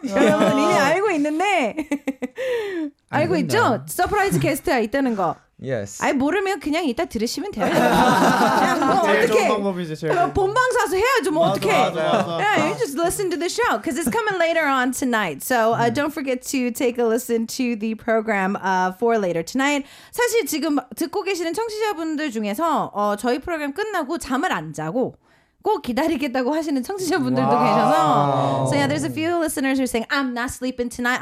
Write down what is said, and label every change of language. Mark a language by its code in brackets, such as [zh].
[ko] 여러분, 이미 알고 있는데. 알고 있죠? 서프라이즈 게스트가 있다는 거. [en] Yes. [ko] 아니, 모르면 그냥 이따 들으시면 돼요. 어떻게? 방법이지, 제일. 본방사수 해야죠, 뭐 어떻게? [en] Yeah, you just listen to the show because it's coming later on tonight. So don't forget to take a listen to the program for later tonight. [ko] 사실 지금 듣고 계시는 청취자분들 중에서 저희 프로그램 끝나고 잠을 안 자고 꼭 기다리겠다고 하시는 청취자분들도 wow. 계셔서 [en] So yeah, there's a few listeners who are saying I'm not sleeping tonight.